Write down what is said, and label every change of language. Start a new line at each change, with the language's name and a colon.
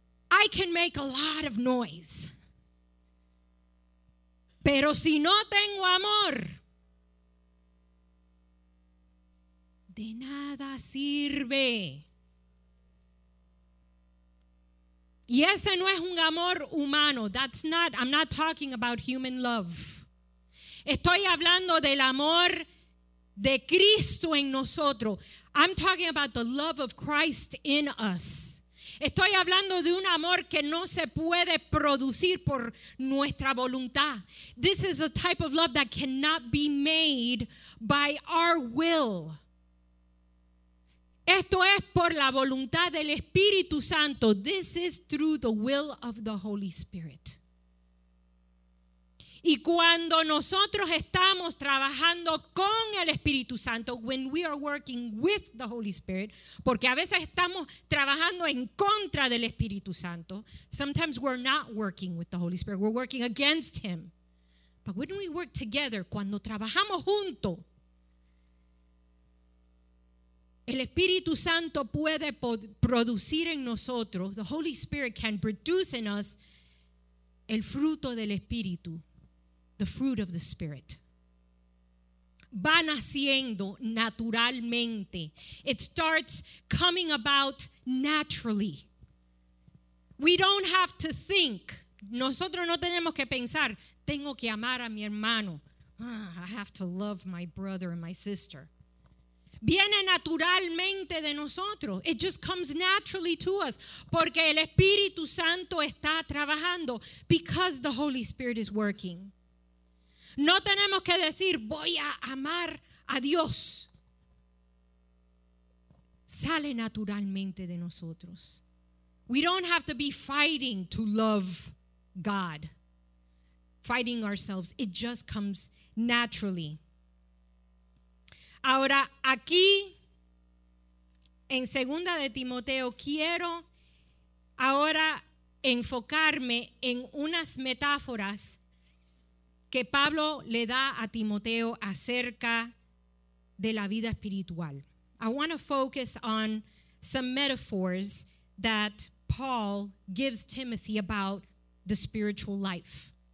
English: I can make a lot of noise.
Spanish: Pero si no tengo amor, de nada sirve. Y ese no es un amor humano.
English: That's not, I'm not talking about human love.
Spanish: Estoy hablando del amor de Cristo en nosotros.
English: I'm talking about the love of Christ in us.
Spanish: Estoy hablando de un amor que no se puede producir por nuestra voluntad.
English: This is a type of love that cannot be made by our will.
Spanish: Esto es por la voluntad del Espíritu Santo.
English: This is through the will of the Holy Spirit.
Spanish: Y cuando nosotros estamos trabajando con el Espíritu Santo,
English: when we are working with the Holy Spirit,
Spanish: porque a veces estamos trabajando en contra del Espíritu Santo,
English: sometimes we're not working with the Holy Spirit, we're working against Him. But when we work together,
Spanish: cuando trabajamos juntos, el Espíritu Santo puede producir en nosotros,
English: the Holy Spirit can produce in us,
Spanish: el fruto del Espíritu,
English: the fruit of the Spirit.
Spanish: Va naciendo naturalmente.
English: It starts coming about naturally. We don't have to think.
Spanish: Nosotros no tenemos que pensar, tengo que amar a mi hermano.
English: I have to love my brother and my sister.
Spanish: Viene naturalmente de nosotros.
English: It just comes naturally to us.
Spanish: Porque el Espíritu Santo está trabajando.
English: Because the Holy Spirit is working.
Spanish: No tenemos que decir, voy a amar a Dios. Sale naturalmente de nosotros.
English: We don't have to be fighting to love God. Fighting ourselves. It just comes naturally.
Spanish: Ahora, aquí, en 2 de Timoteo, quiero ahora enfocarme en unas metáforas que Pablo le da a Timoteo acerca de la vida espiritual.
English: I want to focus on some metaphors that Paul gives Timothy about the spiritual life.